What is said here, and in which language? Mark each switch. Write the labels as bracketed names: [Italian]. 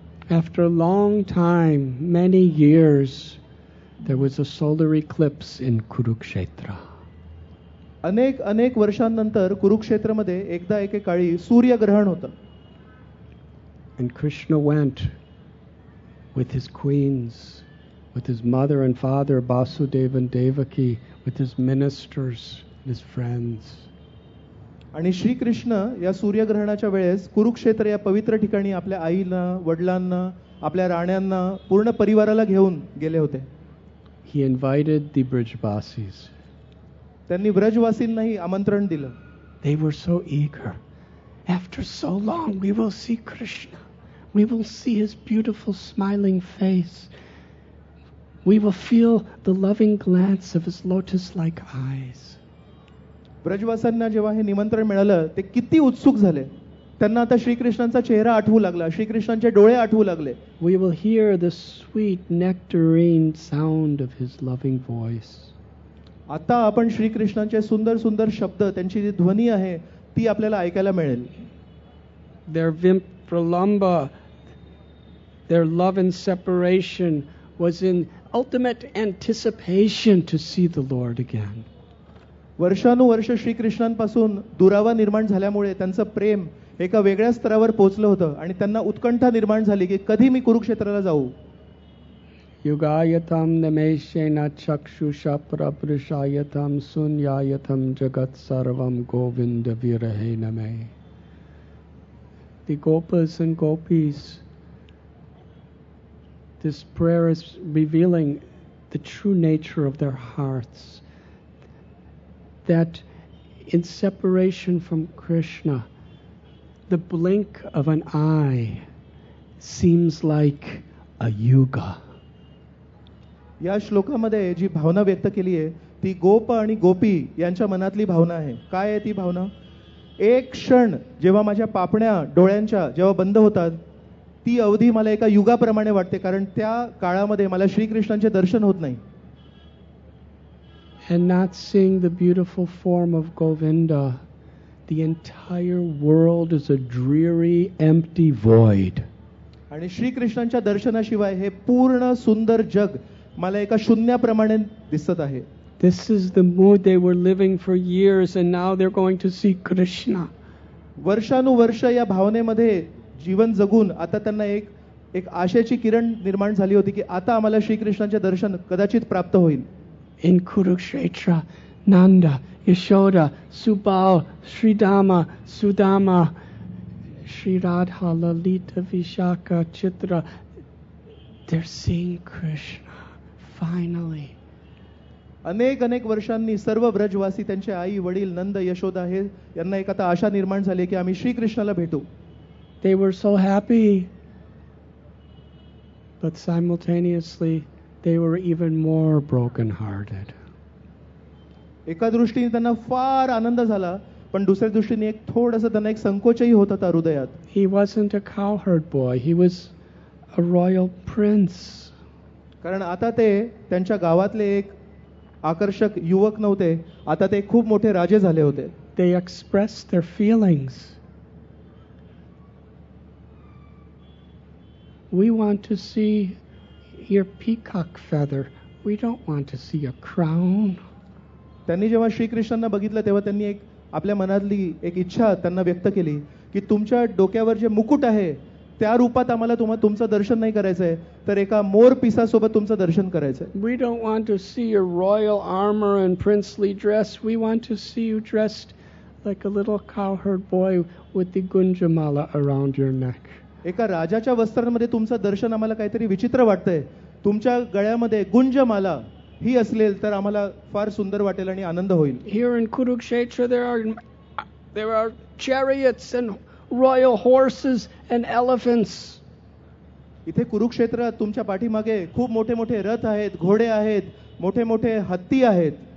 [English] After a long time, many years, there was a solar eclipse in Kurukshetra. [Marathi] अनेक वर्षांनंतर कुरुक्षेत्रामध्ये एकदा एके काळी सूर्यग्रहण होतं. [English] And Krishna went with his queens, with his mother and father, Vasudev and Devaki, with his ministers and his friends. [Marathi] आणि श्री कृष्ण या सूर्यग्रहणाच्या वेळेस कुरुक्षेत्र या पवित्र ठिकाणी आपल्या आईला वडिलांना आपल्या राण्यांना पूर्ण परिवाराला घेऊन गेले होते. [English] He invited the Brajvasis. [Marathi] त्यांनी ब्रजवासींनाही आमंत्रण दिलं. [English] They were so eager. After so long, we will see Krishna. We will see his beautiful smiling face. We will feel the loving glance of his lotus-like eyes. [Marathi] ब्रजवासींना जेव्हा हे निमंत्रण मिळालं ते किती उत्सुक झाले. त्यांना आता श्रीकृष्णांचा चेहरा आठवू लागला, श्रीकृष्णांचे डोळे आठवू लागले. [English] We will hear the sweet nectarine sound of his loving voice. [Marathi] आता आपण श्रीकृष्णांचे सुंदर सुंदर शब्द त्यांची जी ध्वनी आहे ती आपल्याला ऐकायला मिळेल. [English] Their vimpralamba, their love and separation was in ultimate anticipation to see the Lord again. [Marathi] वर्षानुवर्ष श्रीकृष्णांपासून दुरावा निर्माण झाल्यामुळे त्यांचं प्रेम एका वेगळ्या स्तरावर पोहोचलं होतं आणि त्यांना उत्कंठा निर्माण झाली की कधी मी कुरुक्षेत्राला जाऊ. [Sanskrit] युगायतम नमेशेन चक्षुषा प्रपृशायतम सुन्यायतम जगत सर्वम गोविंद विरहे नमे. [English] The gopas and gopis, this prayer is revealing the true nature of their hearts, that in separation from Krishna, the blink of an eye seems like a yuga. [Marathi] या श्लोकामध्ये जी भावना व्यक्त केली आहे ती गोप आणि गोपी यांच्या मनातली भावना आहे. काय आहे ती भावना? एक क्षण जेव्हा माझ्या पापण्या डोळ्यांच्या जेव्हा बंद होतात ती अवधी मला एका युगाप्रमाणे वाटते कारण त्या काळामध्ये मला श्रीकृष्णांचे दर्शन होत नाही. [English] And not seeing the beautiful form of Govinda, the entire world is a dreary, empty void. [Marathi] आणि श्रीकृष्णांच्या दर्शनाशिवाय हे पूर्ण सुंदर जग मला एका शून्याप्रमाणे दिसत आहे. [English] This is the mood they were living for years and now they're going to see Krishna. [Marathi] वर्षानुवर्ष या भावनेमध्ये जीवन जगून आता त्यांना एक आशेची किरण निर्माण झाली होती की आता आम्हाला श्रीकृष्णांचे दर्शन कदाचित प्राप्त होईल. [English] In Kurukshetra, Nanda, Yashoda, Subal, Sridama, Sudama, Sri Radha, Lalita, Vishaka, Chitra, they're seeing Krishna. Finally, [Marathi] अनेक अनेक वर्षांनी सर्व ब्रजवासी त्यांचे आई वडील नंद यशोदा हे यांना एक आता आशा निर्माण झाली की आम्ही श्रीकृष्णाला भेटू. [English] They were so happy, but simultaneously they were even more broken hearted. [Marathi] एका दृष्टीने त्यांना फार आनंद झाला पण दुसऱ्या दृष्टीने एक थोडासा त्यांना एक संकोचही होत होता हृदयात. [English] He wasn't a cowherd boy, he was a royal prince. [Marathi] कारण आता ते त्यांच्या गावातले एक आकर्षक युवक नव्हते, आता ते खूप मोठे राजे झाले होते. [English] They expressed their feelings. We want to see your peacock feather. We don't want to see a crown. [Marathi] त्यांनी जेव्हा श्रीकृष्णांना बघितलं तेव्हा त्यांनी एक आपल्या मनातली एक इच्छा त्यांना व्यक्त केली की तुमच्या डोक्यावर जे मुकुट आहे त्या रूपात आम्हाला तुमचं दर्शन नाही करायचंय, तर एका मोर पिसासोबत तुमचं दर्शन करायचंय. [English] We don't want to see your royal armor and princely dress. We want to see you dressed like a little cowherd boy with the gunjamala around your neck. [Marathi] एका राजाच्या वस्त्रांमध्ये तुमचं दर्शन आम्हाला काहीतरी विचित्र वाटतंय, तुमच्या गळ्यामध्ये गुंजमाला ही असेल तर आम्हाला फार सुंदर वाटेल आणि आनंद होईल. [English] Here in Kurukshetra there are chariots and royal horses and elephants. [Marathi] इथे कुरुक्षेत्रात तुमच्या पाठीमागे खूप मोठे मोठे रथ आहेत, घोडे आहेत, मोठे मोठे हत्ती आहेत.